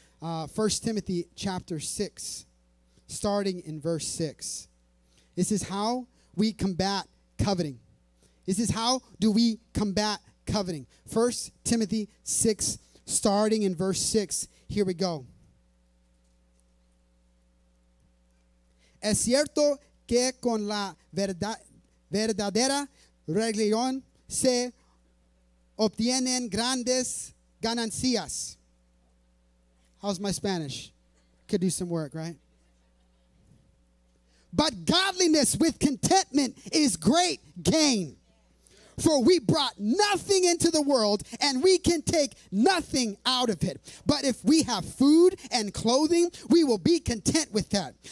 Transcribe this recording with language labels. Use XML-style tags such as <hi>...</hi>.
<en>1 Timothy chapter 6, starting in verse 6. This is how we combat coveting. This is how do we combat coveting. 1 Timothy 6, starting in verse 6. Here we go.</en> <es>Es cierto que con la verdad... verdadera religión se obtienen grandes ganancias.</es> <en>How's my Spanish? Could do some work, right? But godliness with contentment is great gain. For we brought nothing into the world, and we can take nothing out of it. But if we have food and clothing, we will be content with that.</en>